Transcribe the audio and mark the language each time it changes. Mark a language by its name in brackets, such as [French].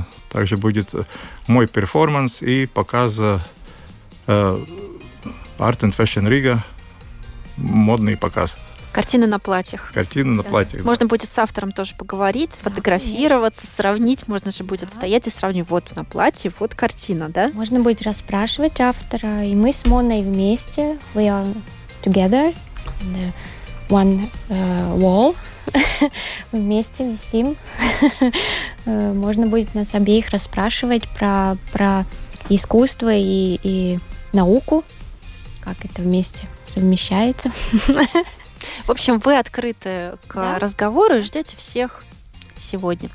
[Russian] Также будет мой перформанс и показ Art and Fashion Riga, модный показ. Картины на платьях. Картины на платьях. Можно будет с автором тоже поговорить, сфотографироваться, сравнить. Можно же будет стоять и сравнить. Вот на платье, вот картина, да? Можно будет расспрашивать автора. И мы с Моной вместе. [English] We are together in the one wall. [Russian] Мы вместе висим. Можно будет нас обеих расспрашивать про искусство и науку, как это вместе совмещается. В общем, вы открыты к разговору и ждете всех сегодня.